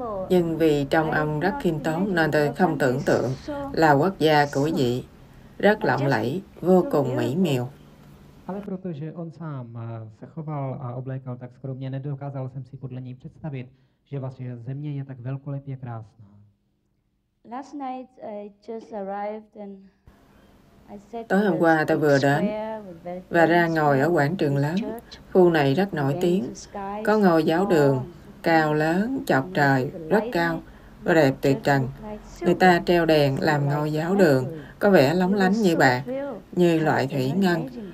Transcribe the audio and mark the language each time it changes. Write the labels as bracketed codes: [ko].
[vi] Nhưng vì trong ông rất khiêm tốn nên tôi không tưởng tượng là quốc gia của chị rất lộng lẫy, vô cùng mỹ miều. [cs] Ale protože on sám se choval a oblékal tak skromně, nedokázal jsem si podle něj představit, že vaše země je tak velkolepě krásná. [en] Last night I just arrived and I said [vi] tối hôm qua tôi vừa đến và ra ngồi ở quảng trường lớn. Khu này rất nổi tiếng, có ngôi giáo đường cao lớn chọc trời, rất cao và đẹp tuyệt trần. Người ta treo đèn làm ngôi giáo đường có vẻ lóng lánh như bạc, như loại thủy ngân.